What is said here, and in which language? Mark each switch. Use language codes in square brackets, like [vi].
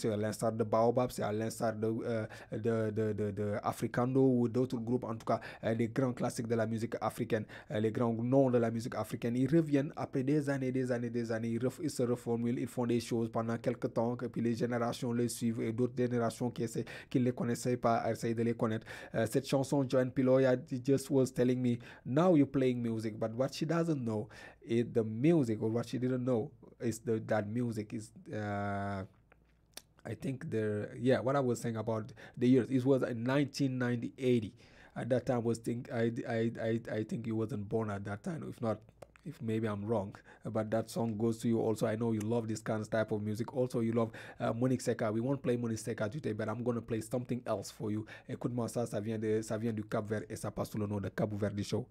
[fr] C'est à l'instar de Baobab, c'est à l'instar de Africando ou d'autres groupes, en tout cas les grands classiques de la musique africaine, les grands noms de la musique africaine. Ils reviennent après des années, ils se reformulent, ils font des choses pendant quelques temps, et puis les générations les suivent, et d'autres générations qui ne les connaissaient pas essayent de les connaître. Cette chanson, [en] John Piloya, he just was telling me, now you're playing music, but what she doesn't know is the music, or what she didn't know is that music is, I think, what I was saying about the years, it was in 1980. At that time, I think you wasn't born at that time, if maybe I'm wrong, but that song goes to you also. I know you love this kind of type of music. Also, you love Monique Seka. We won't play Monique Seka today, but I'm going to play something else for you. [fr] Écoute-moi ça, ça vient du Cap Vert, et ça passe sous le nom de Cabo Verde Show.